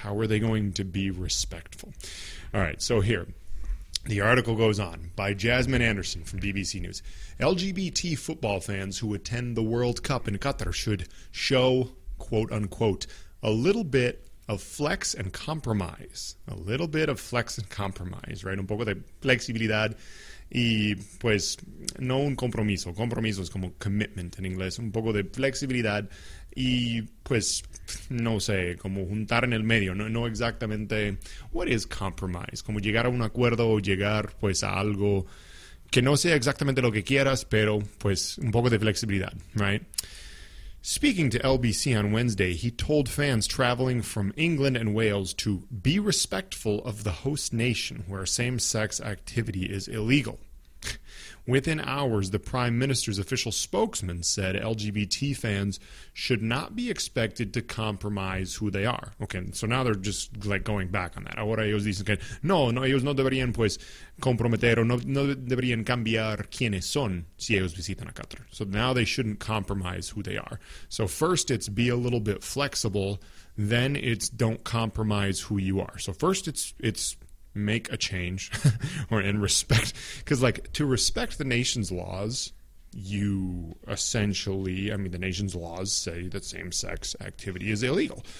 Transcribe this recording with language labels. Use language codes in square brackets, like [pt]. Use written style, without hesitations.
[en] How are they going to be respectful? All right, so here, the article goes on by Jasmine Anderson from BBC News. LGBT football fans who attend the World Cup in Qatar should show, quote unquote, a little bit of flex and compromise. A little bit of flex and compromise, right? [es] Un poco de flexibilidad y pues no un compromiso. Compromiso es como [en] commitment in English. [es] Un poco de flexibilidad y pues no sé, como juntar en el medio, no exactamente. [en] What is compromise? [es] Como llegar a un acuerdo o llegar pues a algo que no sea exactamente lo que quieras, pero pues un poco de flexibilidad, right? [en] Speaking to LBC on Wednesday, he told fans traveling from England and Wales to be respectful of the host nation where same-sex activity is illegal. Within hours, the Prime Minister's official spokesman said LGBT fans should not be expected to compromise who they are. Okay, so now they're just like going back on that. [es] Ahora ellos dicen que no, ellos no deberían pues comprometer o no deberían cambiar quiénes son si ellos visitan a Qatar. [en] So now they shouldn't compromise who they are. So first it's be a little bit flexible, then it's don't compromise who you are. So first it's make a change or in respect, because like to respect the nation's laws, you essentially, I mean, the nation's laws say that same-sex activity is illegal.